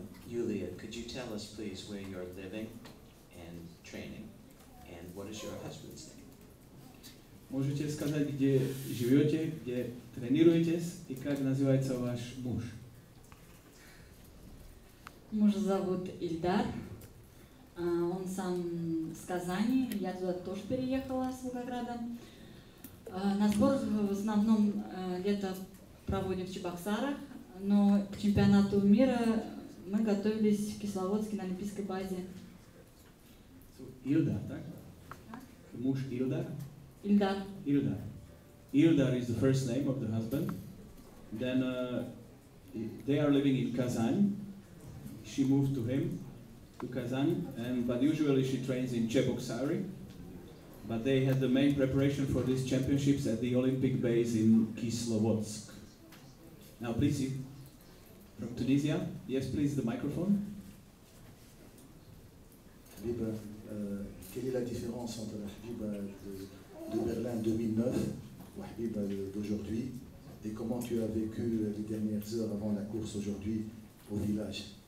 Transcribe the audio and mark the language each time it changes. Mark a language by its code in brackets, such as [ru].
[en] Yuliya, could you tell us, please, where you're living and training? And what is your husband's name? [ru] Можете сказать, где живете, где тренируетесь, и как называется ваш муж? Муж зовут Ильдар. Он сам с Казани. Я туда тоже переехала с Волгограда. На сбор в основном лето проводим в Чебоксарах, но к чемпионату мира мы готовились в Кисловодске на Олимпийской базе. Ильдар, так? Муж Ильдар? Ильдар. Ильдар. [en] Ильдар is the first name of the husband. Then they are living in Kazan. She moved to him. To Kazan, and but usually she trains in Cheboksary, but they had the main preparation for these championships at the Olympic base in Kislovodsk. Now, please, from Tunisia, yes, please, the microphone. [fr] Habiba, quelle est la différence entre la Habiba de Berlin 2009 ou Habiba d'aujourd'hui, et comment tu as vécu les dernières heures avant la course aujourd'hui au village?